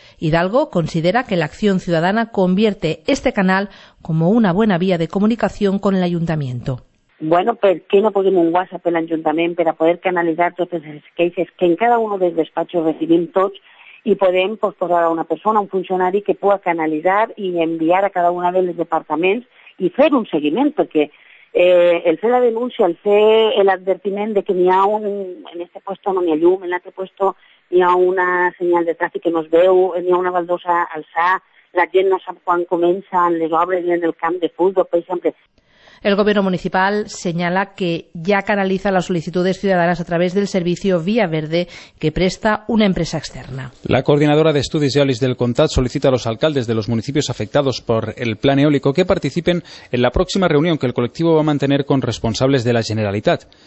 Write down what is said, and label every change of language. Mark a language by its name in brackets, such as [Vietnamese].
[Spanish] Hidalgo considera que la acción ciudadana convierte este canal como una buena vía de comunicación con el ayuntamiento. Bueno, ¿por qué no ponemos un WhatsApp al ayuntamiento para poder canalizar todos esos queixes que en cada uno de los despachos recibimos todos y podemos postular a una persona, a un funcionario que pueda canalizar y enviar a cada uno de los departamentos y hacer un seguimiento? [Catalan] Porque el fer la denúncia, el fer el advertiment de que n'hi ha un, en este puesto no n'hi ha llum, en l'altre puesto n'hi ha una senyal de tràfic que no es veu, n'hi ha una baldosa alçada, la gent no sap quan comencen les obres en el camp de futbol, per exemple. [Spanish] El gobierno municipal señala que ya canaliza las solicitudes ciudadanas a través del servicio Vía Verde que presta una empresa externa. La coordinadora de estudios eólicos del Comtat solicita a los alcaldes de los municipios afectados por el plan eólico que participen en la próxima reunión que el colectivo va a mantener con responsables de la Generalitat.